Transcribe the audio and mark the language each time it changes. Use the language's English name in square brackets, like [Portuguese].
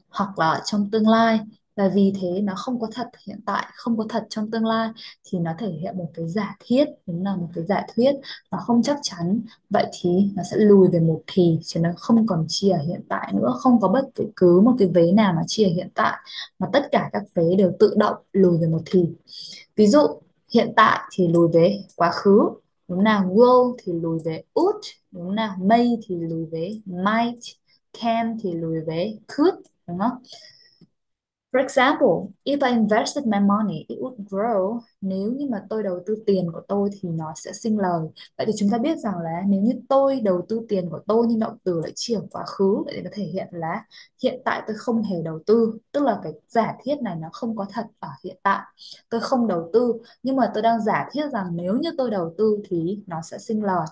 [Vietnamese] Hoặc là trong tương lai. Và vì thế nó không có thật hiện tại, không có thật trong tương lai thì nó thể hiện một cái giả thiết, đúng là một cái giả thuyết nó không chắc chắn, vậy thì nó sẽ lùi về một thì chứ nó không còn chia ở hiện tại nữa, không có bất cứ một cái vế nào nó chia ở hiện tại mà tất cả các vế đều tự động lùi về một thì. Ví dụ hiện tại thì lùi về quá khứ, đúng nào, will thì lùi về would, đúng nào, may thì lùi về might, can thì lùi về could, đúng không? [English] For example, if I invested my money, it would grow. [Vietnamese] Nếu như mà tôi đầu tư tiền của tôi thì nó sẽ sinh lời. Vậy thì chúng ta biết rằng là nếu như tôi đầu tư tiền của tôi nhưng động từ lại chỉ ở quá khứ, vậy thì nó thể hiện là hiện tại tôi không hề đầu tư. Tức là cái giả thiết này nó không có thật ở hiện tại. Tôi không đầu tư, nhưng mà tôi đang giả thiết rằng nếu như tôi đầu tư thì nó sẽ sinh lời.